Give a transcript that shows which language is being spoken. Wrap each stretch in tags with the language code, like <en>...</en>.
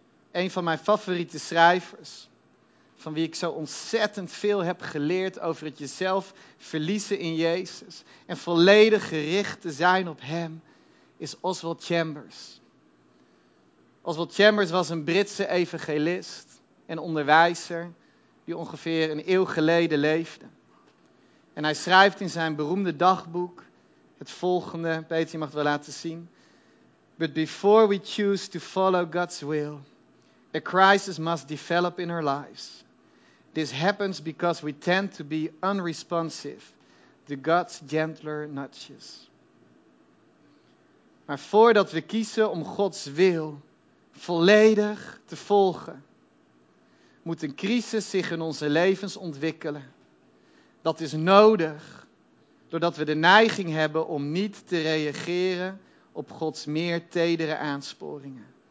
<nl>Een van mijn favoriete schrijvers, van wie ik zo ontzettend veel heb geleerd over het jezelf verliezen in Jezus en volledig gericht te zijn op Hem, is Oswald Chambers. Oswald Chambers was een Britse evangelist en onderwijzer die ongeveer een eeuw geleden leefde. En hij schrijft in zijn beroemde dagboek het volgende. Peter, je mag het wel laten zien.</nl> <en>But before we choose to follow God's will, a crisis must develop in our lives. This happens because we tend to be unresponsive to God's gentler nudges.</en> <nl>Maar voordat we kiezen om Gods wil volledig te volgen, moet een crisis zich in onze levens ontwikkelen. Dat is nodig, doordat we de neiging hebben om niet te reageren op Gods meer tedere aansporingen.</nl>